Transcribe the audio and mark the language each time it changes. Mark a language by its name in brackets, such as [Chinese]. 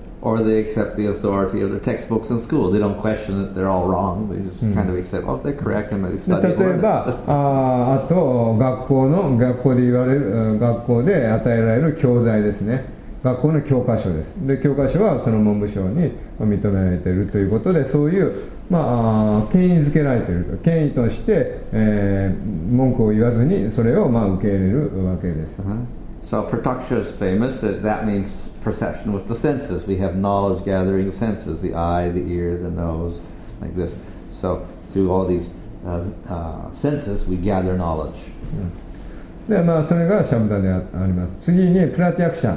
[English] Or they accept the authority of their textbooks in school. They don't question that they're all wrong. They just kind of accept, oh, they're correct, and they study according. [Japanese] 例えば、あと学校の学校で言われる学校で与えられる教材ですね。学校の教科書です。で、教科書はその文部省に認められているということで、そういう、まあ、権威づけられていると、権威として、文句を言わずにそれを、まあ、受け入れるわけです。 [English] So Pratakṣa is famous. That means perception with the senses. We have knowledge gathering senses: the eye, the ear, the nose, like this. So through all these senses, we gather knowledge. [Japanese] で、まあそれがシャブダであります。次にプラティアクシャ。